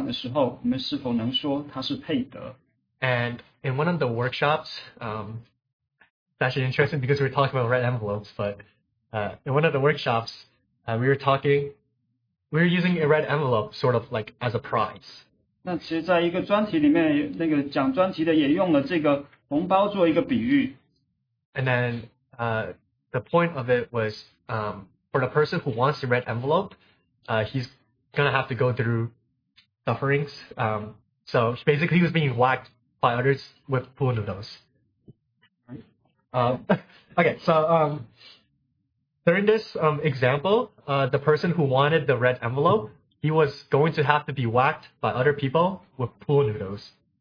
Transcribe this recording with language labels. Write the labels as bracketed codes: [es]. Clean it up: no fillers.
[zh] 但是当我们看到我们要所得的奖赏的时候，我们是否能说它是配得？ [en] And in one of the workshops, it's actually interesting because we're talking about red envelopes, but in one of the workshops, we were using a red envelope sort of like as a prize. [zh] 那其实在一个专题里面，那个讲专题的也用了这个红包做一个比喻。 [en] And then the point of it was for the person who wants the red envelope, he's gonna have to go through sufferings. So basically, he was being whacked by others with pool noodles. Okay, so during this example, the person who wanted the red envelope, he was going to have to be whacked by other people with pool noodles.